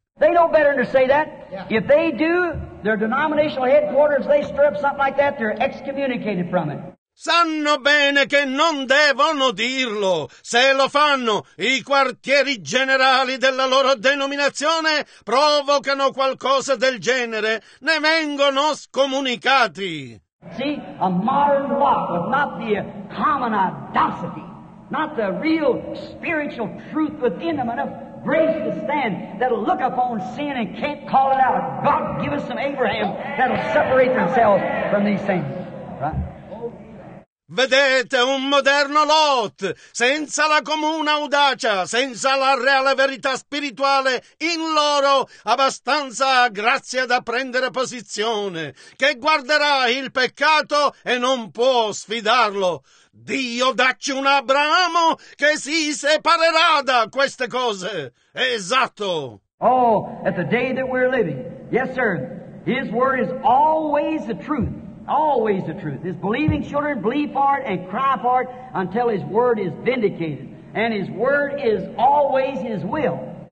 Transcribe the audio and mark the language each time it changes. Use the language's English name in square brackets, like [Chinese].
[English] They know better than to say that. Yeah. If they do, their denominational headquarters, they stir up something like that, they're excommunicated from it. [Italian] Sanno bene che non devono dirlo. Se lo fanno, i quartieri generali della loro denominazione provocano qualcosa del genere. Ne vengono scomunicati. [English] See, a modern walk with not the common audacity, not the real spiritual truth within them enough grace to stand, that'll look upon sin and can't call it out. God give us some Abraham that'll separate themselves from these things. Right? [Italian] Vedete, un moderno Lot, senza la comune audacia, senza la reale verità spirituale in loro, abbastanza grazia da prendere posizione, che guarderà il peccato e non può sfidarlo. Dio dacci un Abramo che si separerà da queste cose. Esatto. [English] Oh, at the day that we're living. Yes, sir. His word is always the truth. Always the truth. His believing children believe for it and cry for it until his word is vindicated. And his word is always his will.